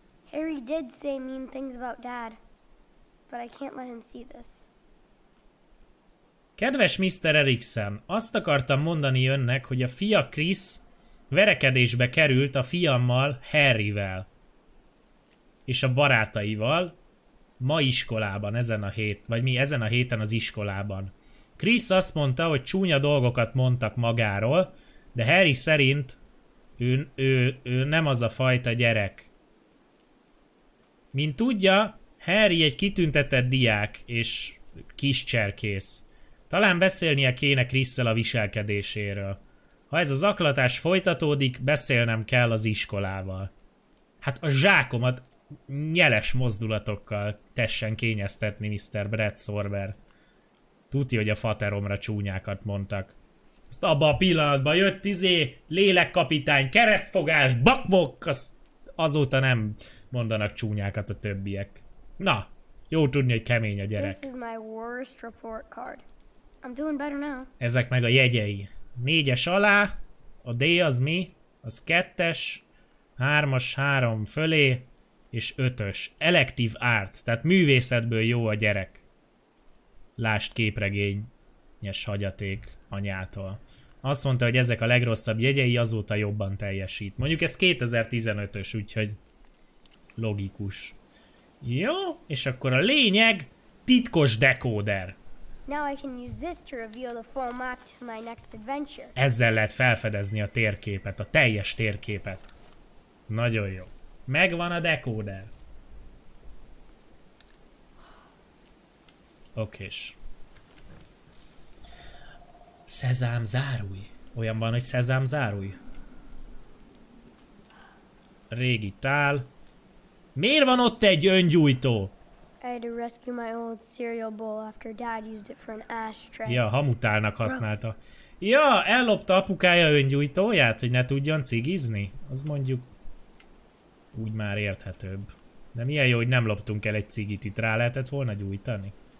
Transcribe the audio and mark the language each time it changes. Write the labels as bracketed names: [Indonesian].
[English] Harry did say mean things about dad, but I can't let him see this. [Hungarian] Kedves Mr. Erikson, azt akartam mondani önnek, hogy a fia Chris verekedésbe került a fiammal Harryvel és a barátaival ma iskolában, ezen a héten az iskolában. Chris azt mondta, hogy csúnya dolgokat mondtak magáról, de Harry szerint ő nem az a fajta gyerek. Mint tudja, Harry egy kitüntetett diák és kis cserkész. Talán beszélnie kéne Chris-szel a viselkedéséről. Ha ez a zaklatás folytatódik, beszélnem kell az iskolával. Hát a zsákomat nyeles mozdulatokkal tessen kényeztetni, Mr. Brett Sorber. Tudja, hogy a fateromra csúnyákat mondtak. Ezt abban a pillanatban jött, lélekkapitány, keresztfogás, bakmok, azóta nem mondanak csúnyákat a többiek. Na, jó tudni, hogy kemény a gyerek. [English] This is my worst report card. I'm doing better now. [Hungarian] Ezek meg a jegyei. Négyes alá, a D az mi? Az kettes, hármas három fölé, és ötös. [English] Elective art, [Hungarian] tehát művészetből jó a gyerek. Lásd képregényes hagyaték anyától. Azt mondta, hogy ezek a legrosszabb jegyei, azóta jobban teljesít. Mondjuk ez 2015-ös, úgyhogy logikus. Jó, és akkor a lényeg, titkos dekóder. [English] Now I can use this to reveal the full map to my next adventure. [Hungarian] Ezzel lehet felfedezni a térképet, a teljes térképet. Nagyon jó. Megvan a dekóder. Okés. Szezám zárulj. Olyan van, hogy szezám zárulj. Régi tál. Miért van ott egy öngyújtó? [English] I had to rescue my old cereal bowl after dad used it for an ashtray. [Hungarian] Ja, hamutálnak használta. Ja, ellopta apukája öngyújtóját, hogy ne tudjon cigizni. Az mondjuk úgy már érthetőbb. De milyen jó, hogy nem loptunk el egy cigit, itt rá lehetett volna gyújtani.